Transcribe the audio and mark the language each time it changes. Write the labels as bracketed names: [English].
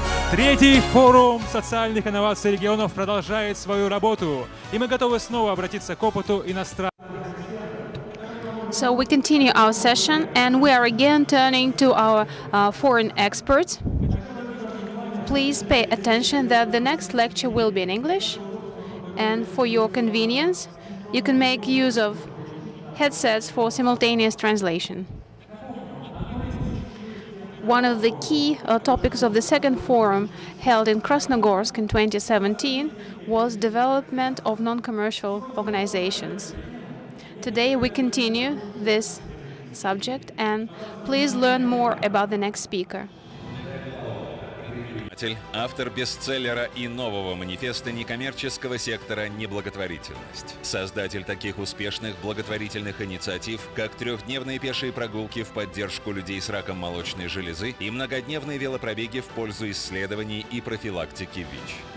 [Russian] Третий форум социальных инноваций регионов продолжает свою работу, и мы готовы снова обратиться к опыту иностранных. [English] So we continue our session, and we are again turning to our foreign experts. Please pay attention that the next lecture will be in English, and for your convenience, you can make use of headsets for simultaneous translation. One of the key topics of the second forum held in Krasnogorsk in 2017 was development of non-commercial organizations. Today we continue this subject, and please learn more about the next speaker. [Russian] Автор бестселлера и нового манифеста некоммерческого сектора «Неблаготворительность». Создатель таких успешных благотворительных инициатив, как трехдневные пешие прогулки в поддержку людей с раком молочной железы и многодневные велопробеги в пользу исследований и профилактики ВИЧ.